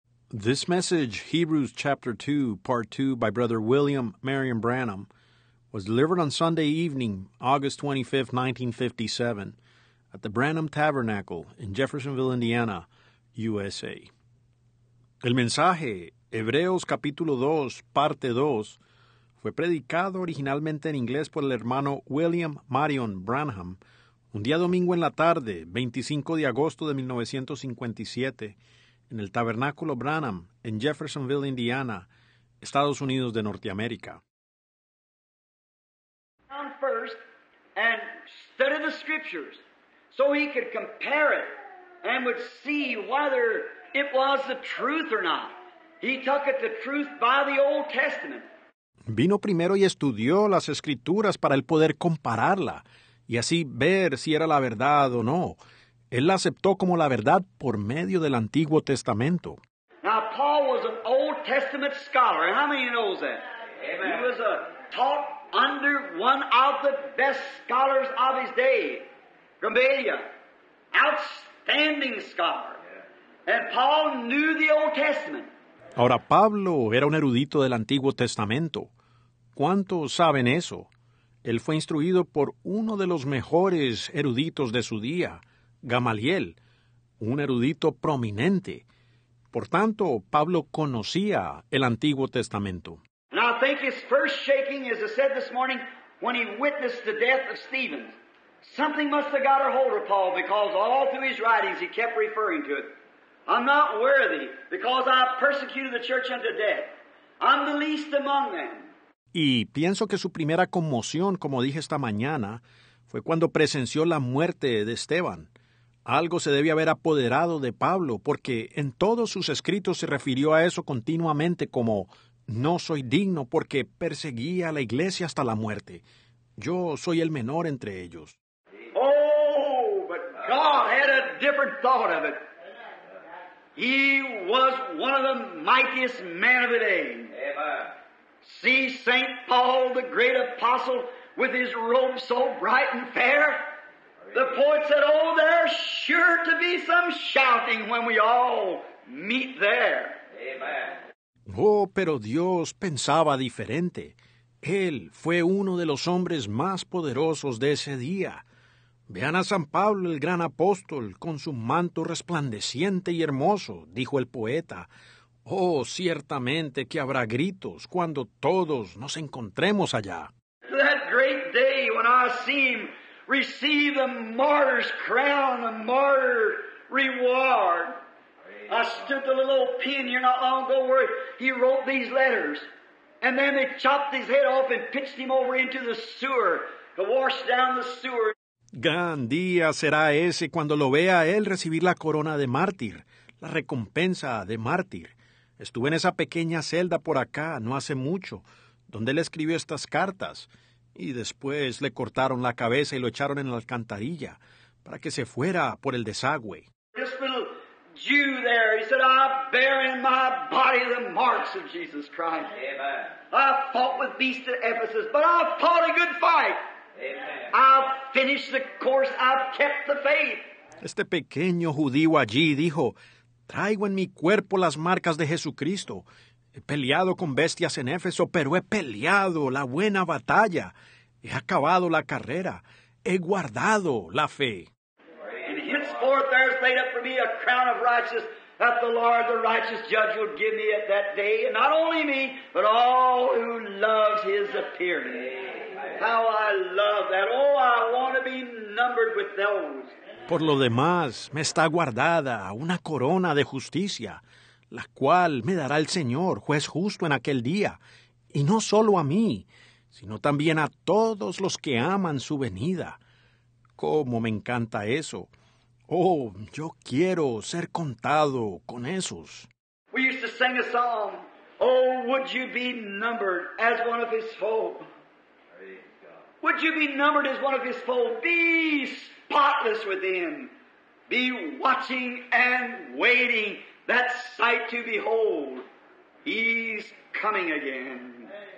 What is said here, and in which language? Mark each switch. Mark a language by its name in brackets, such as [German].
[English] This message, Hebrews chapter 2, part 2, by Brother William Marion Branham, was delivered on Sunday evening, August 25, 1957, at the Branham Tabernacle in Jeffersonville, Indiana, USA. [Spanish] El mensaje, Hebreos capítulo 2, parte 2, fue predicado originalmente en inglés por el hermano William Marion Branham un día domingo en la tarde, 25 de agosto de 1957, en el Tabernáculo Branham, en Jeffersonville, Indiana, Estados Unidos de Norteamérica. [English] Down first and study the scriptures so he could compare it and would see whether it was the truth or not. He took it the truth by the Old Testament. [Spanish] Vino primero y estudió las escrituras para él poder compararla y así ver si era la verdad o no. Él la aceptó como la verdad por medio del Antiguo Testamento. [English] Now, Paul was an Old Testament scholar. How many knows that? Amen. He was taught under one of the best scholars of his day, Gamaliel, outstanding scholar. And Paul knew the Old Testament. [Spanish] Ahora, Pablo era un erudito del Antiguo Testamento. ¿Cuántos saben eso? Él fue instruido por uno de los mejores eruditos de su día, Gamaliel, un erudito prominente. Por tanto, Pablo conocía el Antiguo Testamento. [English] Now, I think his first shaking, as I said this morning, when he witnessed the death of Stephen. Something must have got a hold of Paul, because all through his writings he kept referring to it. I'm not worthy, because I persecuted the church unto death. I'm the least among them. [Spanish] Y pienso que su primera conmoción, como dije esta mañana, fue cuando presenció la muerte de Esteban. Algo se debe haber apoderado de Pablo, porque en todos sus escritos se refirió a eso continuamente como «No soy digno porque perseguí a la iglesia hasta la muerte. Yo soy el menor entre ellos». [English] Oh, but God had a different thought of it. He was one of the mightiest men of the day. Amen. See St. Paul, the great apostle, with his robe so bright and fair. The poet said, oh, there's sure to be some shouting when we all meet there. Amen. [Spanish] Oh, pero Dios pensaba diferente. Él fue uno de los hombres más poderosos de ese día. Vean a San Pablo, el gran apóstol, con su manto resplandeciente y hermoso, dijo el poeta. Oh, ciertamente que habrá gritos cuando todos nos encontremos allá. [English] That great day when I see him receive the martyr's crown, the martyr reward. I stood the little old pen here not long ago where he wrote these letters. And then they chopped his head off and pitched him over into the sewer to wash down the sewer. [Spanish] Gran día será ese cuando lo vea a él recibir la corona de mártir, la recompensa de mártir. Estuve en esa pequeña celda por acá no hace mucho, donde él escribió estas cartas. Y después le cortaron la cabeza y lo echaron en la alcantarilla para que se fuera por el desagüe. [English] This little Jew there, he said, I bear in my body the marks of Jesus Christ. Amen. I fought with beasts at Ephesus, but I fought a good fight. Amen. I've finished the course, I've kept the faith. [Spanish] Este pequeño judío allí dijo, traigo en mi cuerpo las marcas de Jesucristo. He peleado con bestias en Éfeso, pero he peleado la buena batalla. He acabado la carrera. He guardado la fe. [English] And henceforth there is laid up for me a crown of righteousness that the Lord, the righteous judge, will give me at that day. And not only me, but all who loves his appearing. How I love that. Oh, I want to be numbered with those. [Spanish] Por lo demás, me está guardada una corona de justicia, la cual me dará el Señor, juez justo en aquel día, y no solo a mí, sino también a todos los que aman su venida. ¡Cómo me encanta eso! ¡Oh, yo quiero ser contado con esos! [English] We used to sing a song, oh, would you be numbered as one of his folk? Would you be numbered as one of his folk? Be spotless with him. Be watching and waiting. That sight to behold, he's coming again.